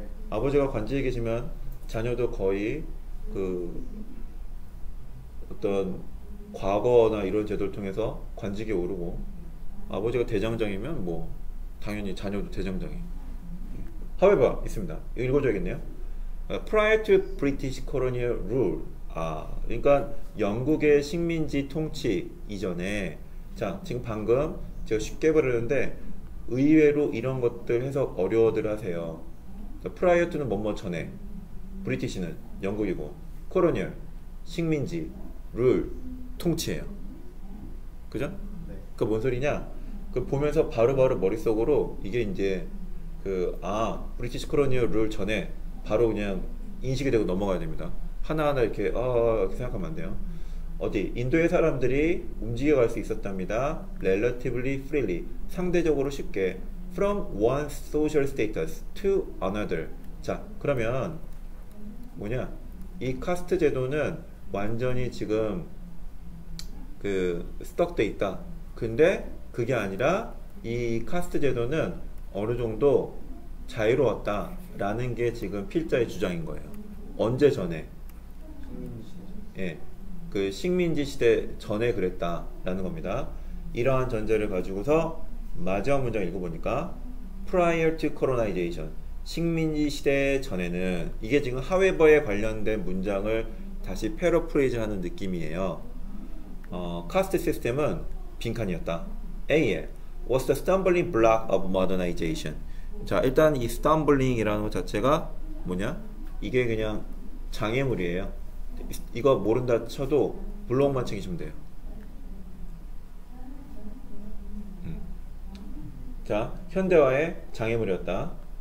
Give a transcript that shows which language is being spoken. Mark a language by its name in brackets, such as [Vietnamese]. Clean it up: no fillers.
[Korean] 아버지가 관직에 계시면 자녀도 거의 그 어떤 과거나 이런 제도를 통해서 관직에 오르고, 아버지가 대장정이면 뭐 당연히 자녀도 대장정이. However, 있습니다. 읽어줘야겠네요. [English] Prior to British colonial rule. [Korean] 그러니까 영국의 식민지 통치 이전에. 자, 지금 방금 제가 쉽게 말했는데 의외로 이런 것들 해석 어려워들 하세요. 자, prior to는 뭐뭐 전에, British는 영국이고, colonial, 식민지, rule, 통치예요. 그죠? 그뭔 소리냐? 그 보면서 바로바로 머릿속으로 이게 이제 [English] British colonial rule [Korean] 전에 바로 그냥 인식이 되고 넘어가야 됩니다. 하나하나 이렇게, 이렇게 생각하면 안 돼요. 어디 인도의 사람들이 움직여갈 수 있었답니다. [English] Relatively freely, [Korean] 상대적으로 쉽게. [English] From one social status to another. [Korean] 자, 그러면 뭐냐? 이 카스트 제도는 완전히 지금 그 스톡돼 있다. 근데 그게 아니라 이 카스트 제도는 어느 정도 자유로웠다라는 게 지금 필자의 주장인 거예요. 언제 전에? 예. 그 식민지 시대 전에 그랬다라는 겁니다. 이러한 전제를 가지고서 마지막 문장 읽어보니까, [English] prior to colonization, [Korean] 식민지 시대 전에는, 이게 지금 however에 관련된 문장을 다시 패러프레이즈 하는 느낌이에요. caste system은 빈칸이었다. [English] A에, was the stumbling block of modernization. [Korean] 자, 일단 이 stumbling이라는 것 자체가 뭐냐? 이게 그냥 장애물이에요. 이거 모른다 쳐도 블록만 챙기시면 돼요. 자, 현대화의 장애물이었다.